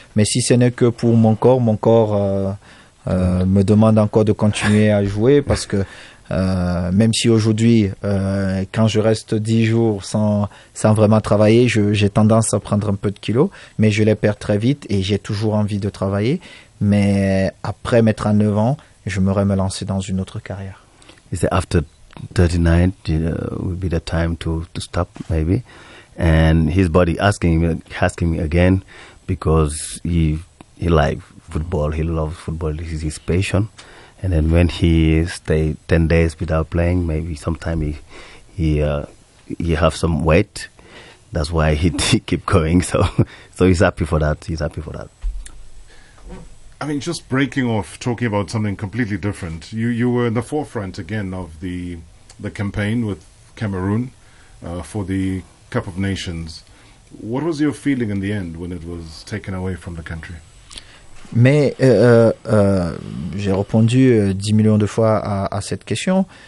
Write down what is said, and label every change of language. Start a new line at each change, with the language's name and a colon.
French: Mais si ce n'est que pour mon corps me demande encore de continuer à jouer, parce que même si aujourd'hui, quand je reste 10 jours sans vraiment travailler, j'ai tendance à prendre un peu de kilos, mais je les perds très vite et j'ai toujours envie de travailler. Mais après mes 39 ans, j'aimerais me lancer dans une autre carrière.
English: Is it after 39 would be the time to stop, maybe? And his body asking me again, because he likes football, he loves football, this is his passion. And then when he stay 10 days without playing, maybe sometime he have some weight. That's why he keep going. So he's happy for that. He's happy for that. I mean, just breaking off, talking about something completely different. You were in the forefront again of the campaign with Cameroon for the Cup of Nations. What was your feeling in the end when it was taken away from the country?
French: Mais j'ai répondu 10 millions de fois à cette question.